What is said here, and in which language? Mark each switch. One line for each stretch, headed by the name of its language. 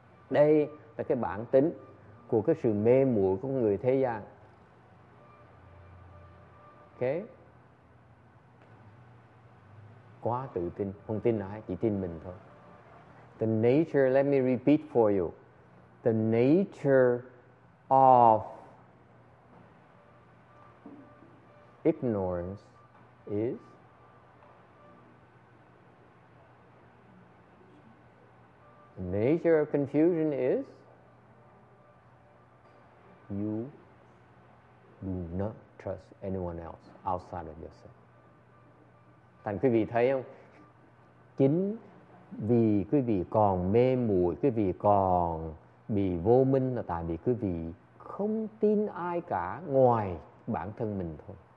Vietnamese: Đây là cái bản tính của cái sự mê muội của người thế gian.
English: Okay.
Vietnamese: Quá tự tin, không tin ai, chỉ tin mình thôi.
English: The nature, let me repeat for you. The nature of ignorance is the nature of confusion is you do not trust anyone else outside of yourself.
Vietnamese: Thành quý vị thấy không? Chính vì quý vị còn mê muội, quý vị còn bị vô minh là tại vì quý vị không tin ai cả ngoài bản thân mình thôi.